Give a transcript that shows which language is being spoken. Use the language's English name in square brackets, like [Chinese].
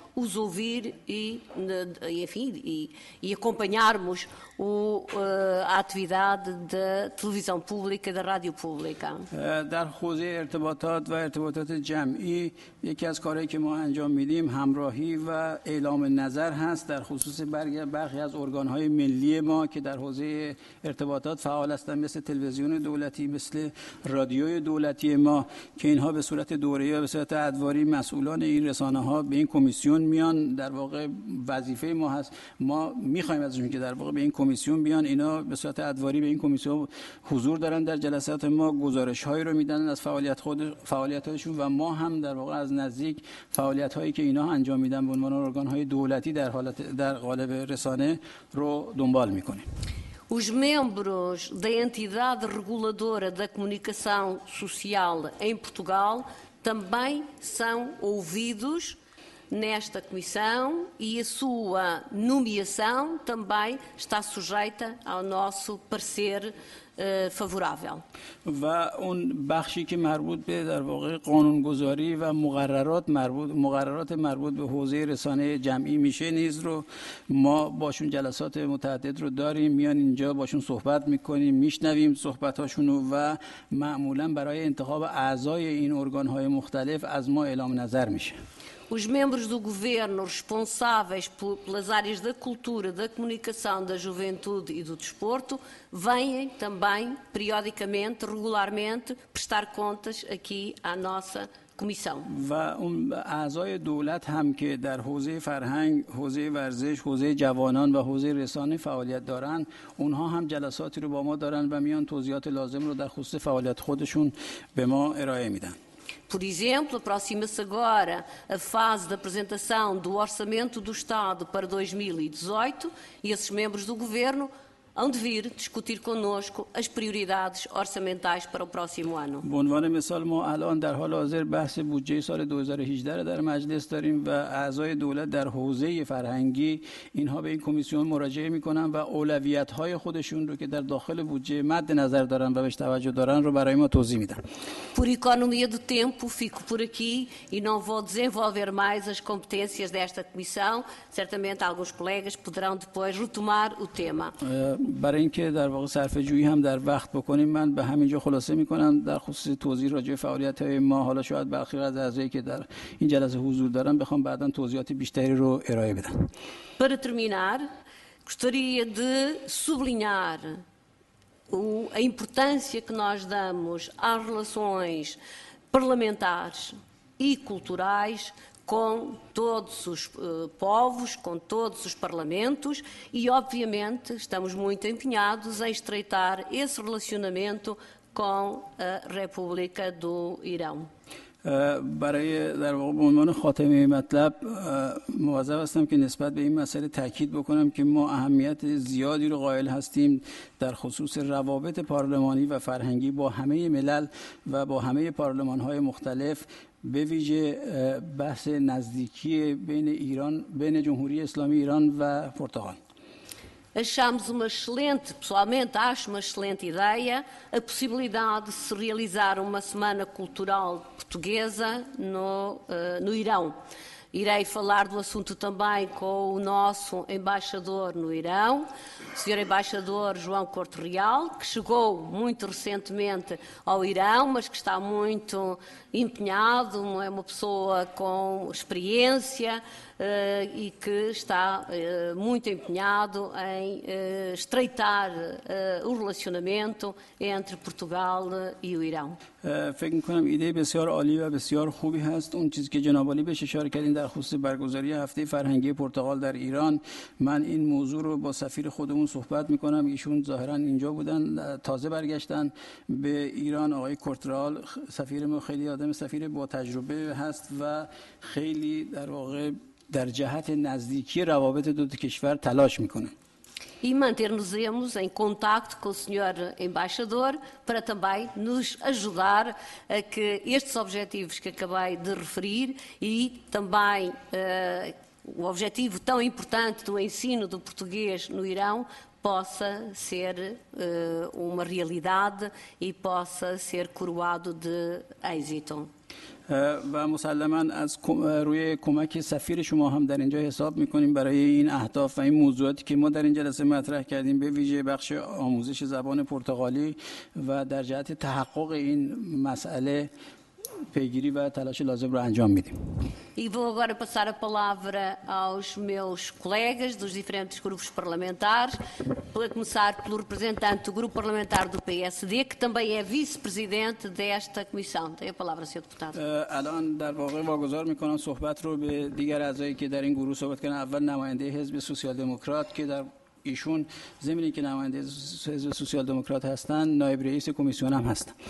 [Portuguese] os ouvir e acompanharmos a atividade da televisão pública, da rádio pública. [Persian] در حوزه ارتباطات و ارتباطات جمعی یکی از کارهایی که ما انجام میدیم همراهی و اعلام نظر هست در خصوص برخی از ارگانهای ملی ما که در حوزه ارتباطات فعال هستند مثل تلویزیون دولتی مثل رادیوی دولتی ما که اینها به صورت دوره‌ای و به صورت ادواری مسئولان این رسانه ها به این کمیسیون میان در واقع وظیفه ما هست ما میخواهیم ازشون که در واقع به این کمیسیون بیان اینا به صورت ادواری به این کمیسیون حضور دارن در جلسات ما گزارش هایی رو میدن از فعالیت خود فعالیت هایشون و ما هم در واقع از نزدیک فعالیت هایی که اینا انجام میدن به عنوان ارگان های دولتی در حالت در قالب رسانه رو دنبال میکنیم. [Portuguese] Os membros da entidade reguladora da comunicação social em Portugal também são ouvidos nesta comissão e a sua nomeação também está sujeita ao nosso parecer favorável. [Persian] و اون بخشی که مربوط به در واقع قانونگذاری و مقررات مربوط به حوزه رسانه جمعی میشه نیز رو ما باشون جلسات متعدد رو داریم میان اینجا باشون صحبت میکنیم میشنویم صحبتاشون رو و معمولا برای انتخاب اعضای این ارگانهای مختلف از ما اعلام نظر میشه. [Portuguese] Os membros do governo responsáveis pelas áreas da cultura, da comunicação, da juventude e do desporto vêm também periodicamente, regularmente, prestar contas aqui à nossa comissão. [Persian] و اون اعضای دولت هم که در حوزه فرهنگ، حوزه ورزش، حوزه جوانان و حوزه رسانه فعالیت دارن، اونها هم جلساتی رو با ما دارن و میان توضیحات لازم رو در خصوص فعالیت خودشون به ما ارائه میدن. [Portuguese] Por exemplo, aproxima-se agora a fase da apresentação do Orçamento do Estado para 2018 e esses membros do Governo hão de vir discutir connosco as prioridades orçamentais para o próximo ano. [Persian] به عنوان مثال ما الان در حال حاضر بحث بودجه سال 2018 را در مجلس داریم و اعضای دولت در حوزه فرهنگی اینها به این کمیسیون مراجعه میکنن و اولویت های خودشون رو که در داخل بودجه مد نظر دارن و بهش توجه دارن رو برای ما توضیح میدن. [Portuguese] Por economia do tempo fico por aqui e não vou desenvolver mais as competências desta comissão. Certamente alguns colegas poderão depois retomar o tema. [Persian] برای اینکه در واقع صرفه جویی هم در وقت بکنیم من به همینجا خلاصه میکنم در خصوص توضیح راجع به فعالیت های ما حالا شاید برخی از اعضایی که در این جلسه حضور دارن بخوام بعدا توضیحات بیشتری رو ارائه بدم. [Portuguese] Para terminar, gostaria de sublinhar a importância que nós damos às relações parlamentares e culturais com todos os povos, com todos os parlamentos e, obviamente, estamos muito empenhados em estreitar esse relacionamento com a República do Irão. [Persian] برای در واقع به عنوان خاتمه مطلب موظف هستم که نسبت به این مسئله تاکید بکنم که ما اهمیت زیادی رو قائل هستیم در خصوص روابط پارلمانی و فرهنگی با همه ملل و با همه پارلمان های مختلف به ویژه بحث نزدیکی بین ایران بین جمهوری اسلامی ایران و پرتغال. [Portuguese] Achamos uma excelente, pessoalmente acho uma excelente ideia, a possibilidade de se realizar uma semana cultural portuguesa no Irão. Irei falar do assunto também com o nosso embaixador no Irão, o Sr. Embaixador João Corte Real, que chegou muito recentemente ao Irão, mas que está muito empenhado, é uma pessoa com experiência e que está muito empenhado em estreitar o relacionamento entre Portugal e o Irão. [Persian] فکر میکنم ایده بسیار عالی و بسیار خوبی هست اون چیزی که جناب عالی بهش اشاره کردین در خصوص برگزاری هفته فرهنگی پرتغال در ایران من این موضوع رو با سفیر خودمون صحبت میکنم ایشون ظاهرا اینجا بودن تازه برگشتن به ایران آقای کورترال سفیر ما خیلی آدم سفیر با تجربه هست و خیلی در واقع در جهت نزدیکی روابط دو کشور تلاش میکنه [Portuguese] e manter-nos-emos em contacto com o Sr. Embaixador para também nos ajudar a que estes objetivos que acabei de referir e também o objetivo tão importante do ensino do português no Irão possa ser uma realidade e possa ser coroado de êxito. [Persian] و مسلما از روی کمک سفیر شما هم در اینجا حساب میکنیم برای این اهداف و این موضوعاتی که ما در این جلسه مطرح کردیم، به ویژه بخش آموزش زبان پرتغالی و در جهت تحقق این مسئله پیگیری و تلاش لازم رو انجام میدیم. [Portuguese] E vou agora passar a palavra aos meus colegas dos diferentes grupos parlamentares, para começar pelo representante do grupo parlamentar do PSD, que também é vice-presidente desta comissão. Tem a palavra, Sr. Deputado. [Persian] الان در واقع واگذار می‌کنم صحبت رو به دیگر اعضایی که در این گروه صحبت کردن. اول نماینده حزب سوسیال دموکرات که در ایشون زمینی که نماینده حزب سوسیال دموکرات هستند، نایب رئیس کمیسیون هم هستند.